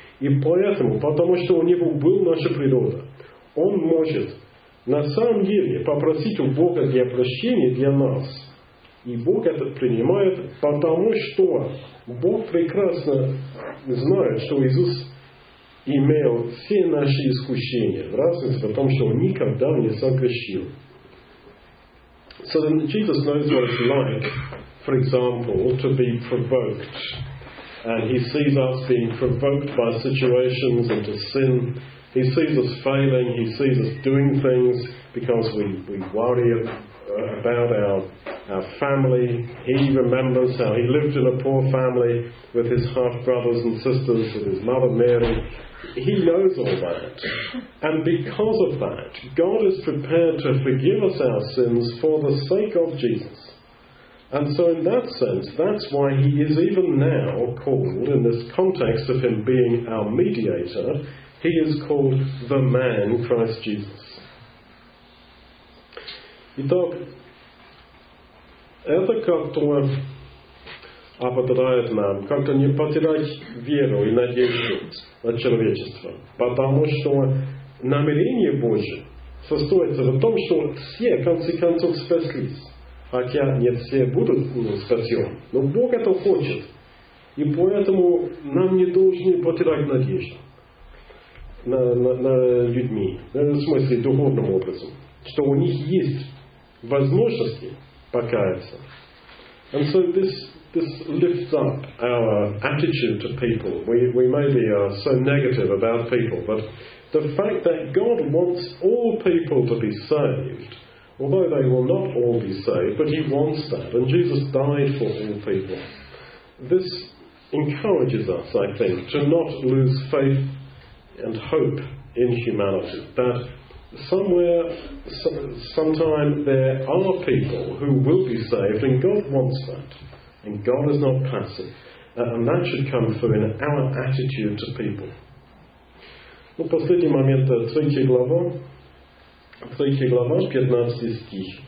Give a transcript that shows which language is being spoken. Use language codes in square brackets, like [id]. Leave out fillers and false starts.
[ru] И поэтому, потому что у него была наша природа, он может на самом деле попросить у Бога для прощения для нас. И Бог это принимает, потому что Бог прекрасно знает, что Иисус имел все наши искушения. Разница в том, что он никогда не согрешил. [en] So then Jesus knows what it's like, for example, to be provoked. And he sees us being provoked by situations and to sin. He sees us failing, he sees us doing things because we worry about our family. He remembers how he lived in a poor family with his half brothers and sisters, with his mother Mary. He knows all that. And because of that, God is prepared to forgive us our sins for the sake of Jesus. And so in that sense, that's why he is even now called, in this context of him being our mediator, he is called the man Christ Jesus. [ru] Итак, это как-то ободряет нам, как-то не потерять веру и надежду на человечество. Потому что намерение Божие состоит в том, что все, в конце концов, спаслись. Хотя не все будут спасены. Но Бог это хочет. И поэтому нам не должны потерять надежду на людьми. В смысле, духовным образом. Что у них есть возможности покаяться. [en] And so this lifts up our attitude to people. We maybe are so negative about people, but the fact that God wants all people to be saved, although they will not all be saved, but he wants that, and Jesus died for all people. This encourages us, I think, to not lose faith and hope in humanity, that somewhere, sometime, there are people who will be saved, and God wants that. And God is not passive. And that should come through in our attitude to people. [ru] Ну, последний момент, третья глава, 15 стих.